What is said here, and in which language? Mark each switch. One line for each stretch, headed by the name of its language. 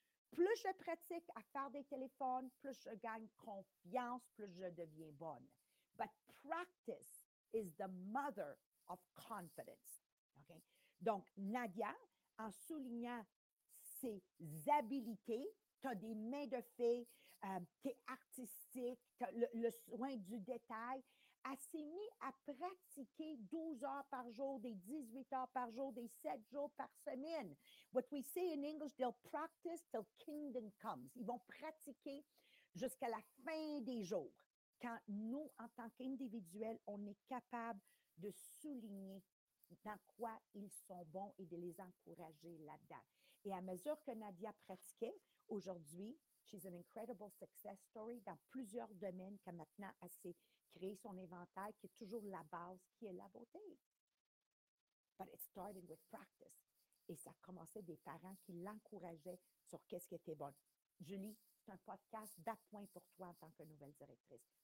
French: Plus je pratique à faire des téléphones, plus je gagne confiance, plus je deviens bonne.
English: But practice is the mother of confidence. Okay?
French: Donc, Nadia, en soulignant ses habiletés, tu as des mains de fée, tu es artistique, tu as le soin du détail. Elle s'est mise à pratiquer 12 heures par jour, des 18 heures par jour, des 7 jours par semaine.
English: What we say in English, they'll practice till kingdom comes.
French: Ils vont pratiquer jusqu'à la fin des jours. Quand nous, en tant qu'individuels, on est capable de souligner dans quoi ils sont bons et de les encourager là-dedans. Et à mesure que Nadia pratiquait, aujourd'hui,
English: she's an incredible success story
French: dans plusieurs domaines qu'elle a maintenant assez créer son inventaire qui est toujours la base, qui est la beauté.
English: But it started with practice.
French: Et ça commençait des parents qui l'encourageaient sur qu'est-ce qui était bon. Julie, c'est un podcast d'appoint pour toi en tant que nouvelle directrice.